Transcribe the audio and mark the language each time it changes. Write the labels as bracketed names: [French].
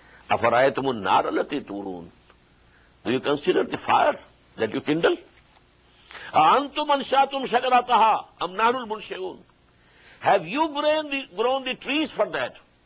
[Arabic] أفرأيتم النار التي تورون. [English] Do you consider the fire that you kindle? [Arabic] أأنتم أنشأتم شجرتها أم نحن المنشئون؟ [English] Have you grown the trees for that?